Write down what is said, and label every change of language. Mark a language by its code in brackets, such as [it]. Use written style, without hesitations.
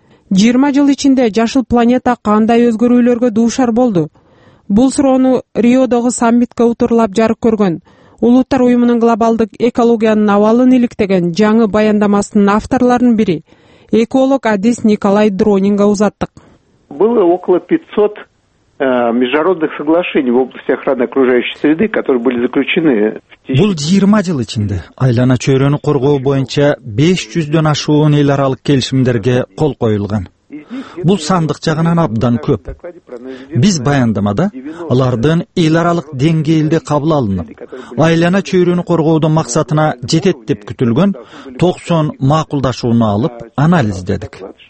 [ky] 20 жыл ичинде жашыл планета кандай өзгөрүүлөргө дуушар болду? Бул суроону Риодогу саммитке утурлап жарык көргөн Улуттар уюмунун глобалдык экологиянын абалын иликтеген жаңы баяндамасынын авторлорунун бири эколог Адис Николай Дронинга узаттык. [ru] Было около 500 международных соглашений в области охраны окружающей среды, которые были заключены. [ky] Бул 20 жыл ичинде айлана чөйрөнү коргоо боюнча 500дөн ашуун эл аралык келишимдерге кол коюлган. Бул сандык жагынан абдан көп. Биз баяндамада алардын эл аралык деңгээлде кабыл алынып, айлана чөйрөнү коргоодун максатына жетет деп күтүлгөн 90 макулдашууну алып анализдедик.